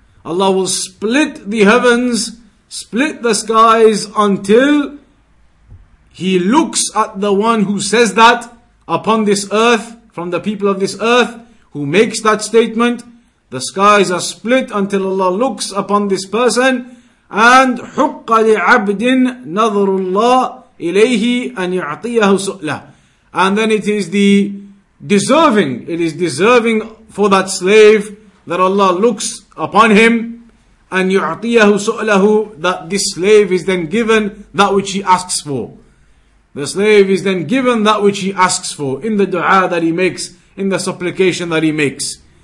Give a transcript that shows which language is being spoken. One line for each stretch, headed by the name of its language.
English: Allah will split the heavens, split the skies, until he looks at the one who says that upon this earth, from the people of this earth, who makes that statement. The skies are split until Allah looks upon this person.
Arabic: And حق لعبد نظر الله إليه أن يعطيه سؤله.
English: And then it is the deserving. It is deserving for that slave that Allah looks upon him and
Arabic: يُعْطِيَهُ سُؤْلَهُ,
English: that this slave is then given that which he asks for. The slave is then given that which he asks for in the dua that he makes, in the supplication that he makes.